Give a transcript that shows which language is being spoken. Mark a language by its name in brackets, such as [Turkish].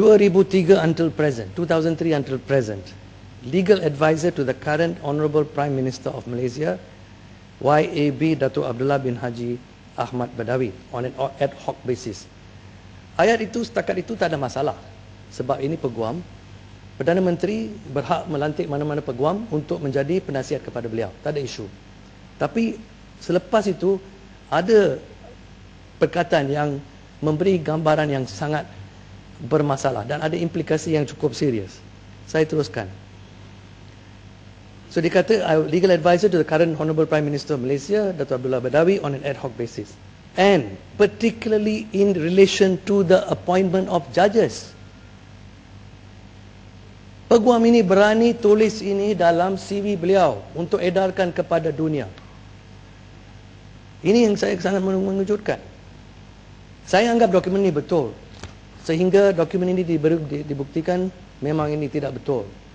[English] 2003 until present, legal advisor to the current Honourable Prime Minister of Malaysia, YAB Dato' Abdullah bin Haji Ahmad Badawi, on an ad hoc basis. [Malay] Ayat itu, setakat itu tak ada masalah, sebab ini peguam. Perdana Menteri berhak melantik mana-mana peguam untuk menjadi penasihat kepada beliau, tak ada isu. Tapi selepas itu ada perkataan yang memberi gambaran yang sangat bermasalah dan ada implikasi yang cukup serius. Saya teruskan. [English] So, [Malay] dia kata, [English] legal advisor to the current Honourable Prime Minister of Malaysia, Dato' Abdullah Badawi, on an ad hoc basis. And particularly in relation to the appointment of judges. [Malay] Peguam ini berani tulis ini dalam CV beliau untuk edarkan kepada dunia. Ini yang saya sangat mengejutkan. Saya anggap dokumen ini betul. Sehingga dokumen ini dibuktikan memang ini tidak betul.